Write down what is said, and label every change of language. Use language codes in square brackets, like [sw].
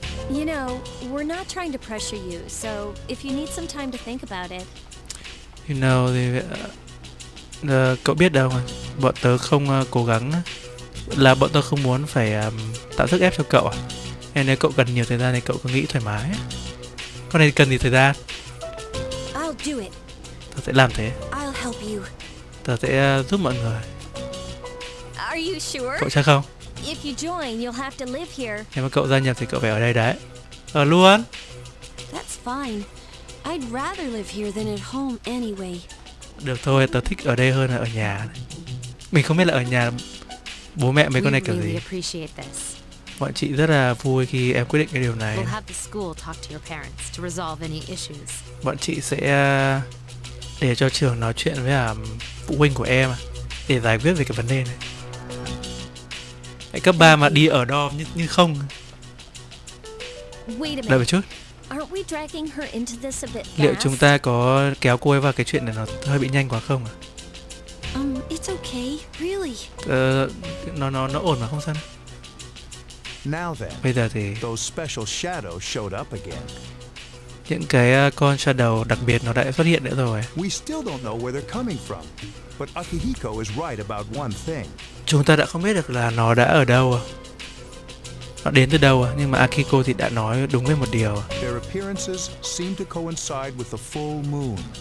[en] You know, we're not trying to pressure you, so if you need some time to think about it. You know, [vi] cậu biết đâu mà, bọn tớ không cố gắng, là bọn tớ không muốn phải tạo sức ép cho cậu. Nên nếu cậu cần nhiều thời gian thì cậu cứ nghĩ thoải mái. Con này cần gì thời gian? [en] I'll do it. [vi] Tớ sẽ làm thế. [en] I'll help you. [vi] Tớ sẽ giúp mọi người. [en] Are you sure? [vi] Cậu chắc không? [en] If you join, you'll have to live here. [vi] Nếu mà cậu gia nhập thì cậu phải ở đây đấy. Ở luôn. [en] That's fine. I'd rather live here than at home anyway. [vi] Được thôi, tớ thích ở đây hơn là ở nhà. Mình không biết là ở nhà bố mẹ mấy con này kiểu gì. [en] We appreciate this. [vi] Bọn chị rất là vui khi em quyết định cái điều này. [en] We'll have the school talk to your parents to resolve any issues. [vi] Bọn chị sẽ để cho trường nói chuyện với phụ huynh của em để giải quyết về cái vấn đề này. Cấp 3 mà đi ở dorm như không. Đợi một chút. [en] Aren't we dragging her into this a bit fast? [vi] Liệu chúng ta có kéo cô ấy vào cái chuyện này nó hơi bị nhanh quá không à? [en] It's okay, really. [vi] Nó ổn mà không sao. [en] Now then. [vi] Bây giờ thì [en] those special shadows showed up again. [vi] Những cái con shadow đặc biệt nó đã xuất hiện nữa rồi. [en] We still don't know where they're coming from. But Akihiko is right about one thing. [vi] Chúng ta đã không biết được là nó đã ở đâu. Nó đến từ đâu. Nhưng mà Akiko thì đã nói đúng với một điều. [en] Their appearances seem to coincide with the full moon.